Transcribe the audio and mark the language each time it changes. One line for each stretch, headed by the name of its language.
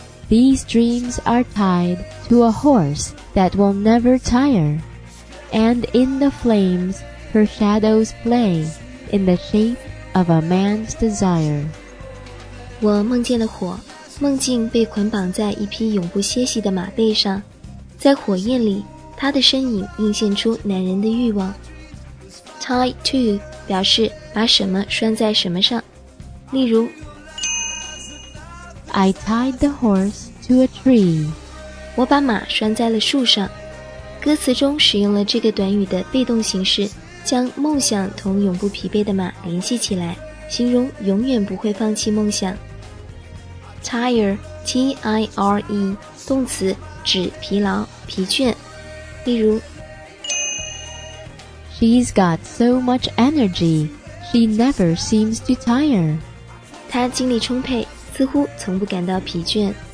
English: These dreams are tied to a horse that will never tire. And in the flames, her shadows play in the shape of a man's desire.
Chinese: 我梦见了火，梦境被捆绑在一匹永不歇息的马背上，在火焰里，他的身影映现出男人的欲望。 Tied to 表示把什么拴在什么上，例如
English: I tied the horse to a tree.
Chinese: 我把马拴在了树上。歌词中使用了这个短语的被动形式，将梦想同永不疲惫的马联系起来，形容永远不会放弃梦想。 Tire, T-I-R-E, 动词，指疲劳、疲倦。例如
English: She's got so much energy, she never seems to tire.
Chinese: 她精力充沛，似乎从不感到疲倦。